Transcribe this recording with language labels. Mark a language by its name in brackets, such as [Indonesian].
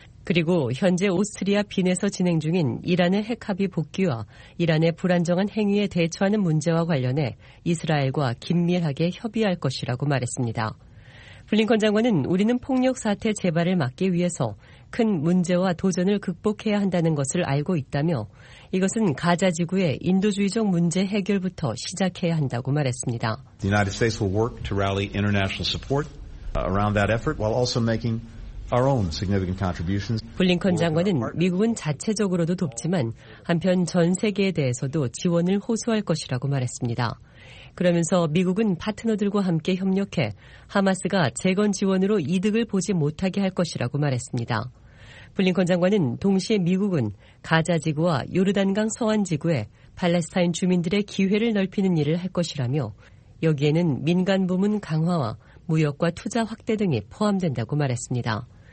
[Korean] 그리고 현재 오스트리아 빈에서 진행 중인 이란의 핵합의 복귀와 이란의 불안정한 행위에 대처하는 문제와 관련해 이스라엘과 긴밀하게 협의할 것이라고 말했습니다. 블링컨 장관은 우리는 폭력 사태 재발을 막기 위해서 큰 문제와 도전을 극복해야 한다는 것을 알고 있다며 이것은 가자지구의 인도주의적 문제 해결부터 시작해야 한다고 말했습니다. [English] The United States will work to rally international support around that effort while also making our own significant contributions. [Korean] 블링컨 장관은 미국은 자체적으로도 돕지만 한편 전 세계에 대해서도 지원을 호소할 것이라고 말했습니다. 그러면서 미국은 파트너들과 함께 협력해 하마스가 재건 지원으로 이득을 보지 못하게 할 것이라고 말했습니다. 블링컨 장관은 동시에 미국은 가자지구와 요르단강 서안지구에 팔레스타인 주민들의 기회를 넓히는 일을 할 것이라며 여기에는 민간 부문 강화와 무역과 투자 확대 등이 포함된다고 말했습니다.